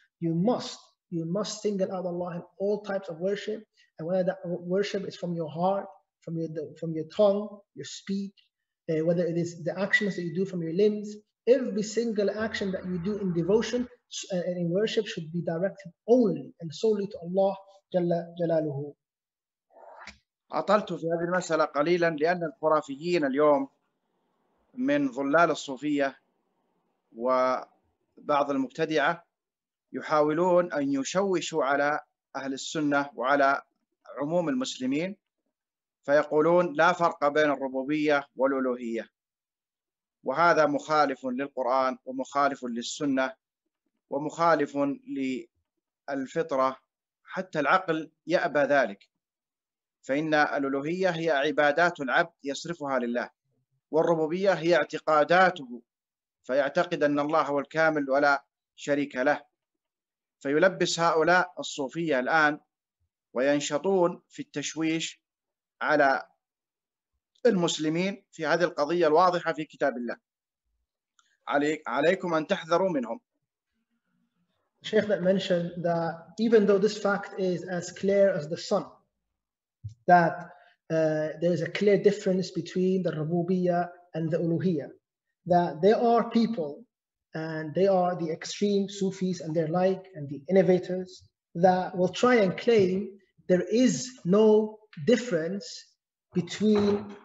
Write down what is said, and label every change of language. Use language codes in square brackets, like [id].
[en] You must single out Allah in all types of worship, and whether that worship is from your heart, from your tongue, your speech, whether it is the actions that you do from your limbs, every single action that you do in devotion and in worship should be directed only and solely to Allah Jalla Jalaluhu. [ar] أطلت في هذه المسألة قليلا لأن الخرافيين اليوم من ظلال الصوفية وبعض المبتدعة يحاولون أن يشوشوا على أهل السنة وعلى عموم المسلمين، فيقولون لا فرق بين الربوبية والألوهية، وهذا مخالف للقرآن ومخالف للسنة ومخالف للفطرة، حتى العقل يأبى ذلك. فإن الألوهية هي عبادات العبد يصرفها لله، والربوبية هي اعتقاداته، فيعتقد أن الله هو الكامل ولا شريك له. فيلبس هؤلاء الصوفية الآن وينشطون في التشويش على المسلمين في هذه القضية الواضحة في كتاب الله، عليكم أن تحذروا منهم. [en] Sheikh that mentioned that even though this fact is as clear as the sun, that there is a clear difference between the Rububiyya and the Uluhiyya, that there are people, and they are the extreme Sufis and their like, and the innovators, that will try and claim there is no difference between